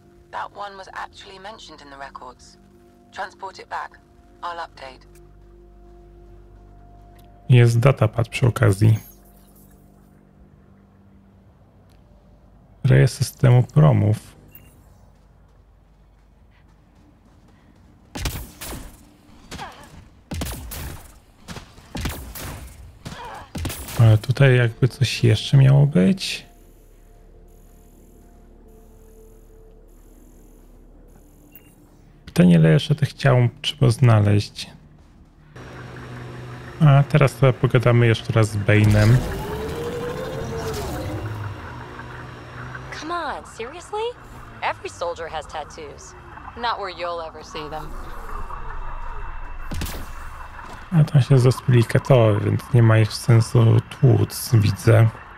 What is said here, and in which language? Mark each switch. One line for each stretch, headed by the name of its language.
English: That one was actually mentioned in the records. Transport it back. I'll update.
Polish: Jest datapad przy okazji. Rejestr systemu promów. Ale tutaj jakby coś jeszcze miało być. Pytanie, ile jeszcze tych ciał trzeba znaleźć. A teraz sobie pogadamy jeszcze raz z Bane'em.
English: Come on, seriously? Every soldier has tattoos. Not where you'll ever see them.
Polish: A tam się zespili katoły, więc nie ma już sensu tłuc, widzę.